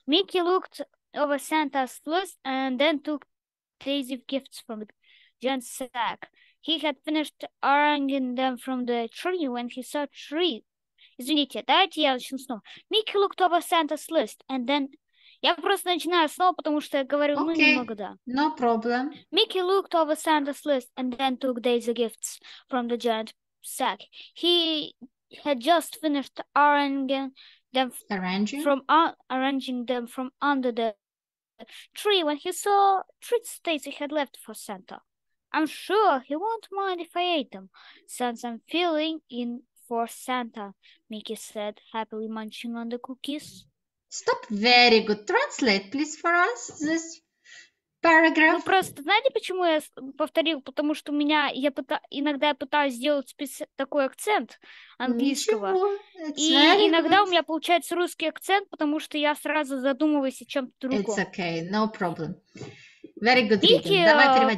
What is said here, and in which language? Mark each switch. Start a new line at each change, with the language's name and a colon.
English: Микки looked over Santa's list and then took Daisy gifts from Jen's sack. He had finished arranging them from the tree when he saw tree.
Russian: Извините, давайте я начну снова.
English: Микки looked over Santa's list and then...
Russian: Я просто начинаю снова, потому что я говорю, okay. Ну, немного, да.
English: No problem. Микки looked over Santa's list and then took Daisy gifts from the giant sack. He had just finished arranging them from under the tree when he saw treats Daisy had left for Santa. I'm sure he won't mind if I ate them, since I'm filling in for Santa, Микки said, happily munching on the cookies. Stop. Very good. Translate, please, for us this paragraph.
Russian: Ну, просто знаете, почему я повторил? Потому что у меня, иногда я пытаюсь сделать такой акцент английского. И иногда у меня получается русский акцент, потому что я сразу задумываюсь о чем-то другом.
English: It's okay, no problem. Very good reading.
Russian: Давай переводить.